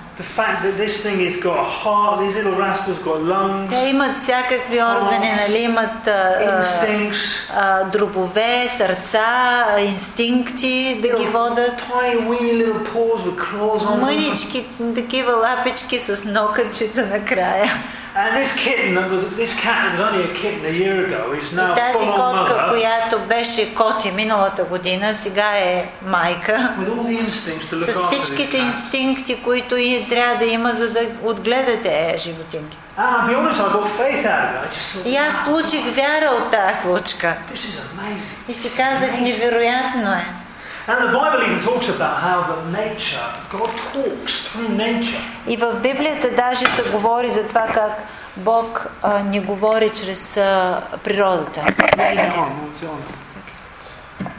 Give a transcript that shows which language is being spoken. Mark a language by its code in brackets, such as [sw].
[en] The fact that this thing has got a heart, these little rascals got lungs. [bg] Те имат всякакви органи, нали, имат инстинкти, дробове, сърца, инстинкти да ги водят. [en] Tiny, weeny little paws with claws on them. [bg] Мънички такива лапички с нокътчета на края. [en] And this cat was only a kitten a year ago. It's now full-on mother. [bg] И тази котка, която беше коти миналата година, сега е майка. [en] With all the instincts to look after. [bg] С всичките инстинкти, които и трябва да има, за да отгледате животинки. [en] I'll be honest, I got faith out of it. [bg] И аз получих вяра от тази случка. [en] This is amazing. [bg] И си казах, невероятно е. [en] And the Bible even talks about how the nature, God talks through nature. [bg] И в Библията даже се говори за това как Бог не говори чрез природата. [en] Anyway, that's not what I want to talk about.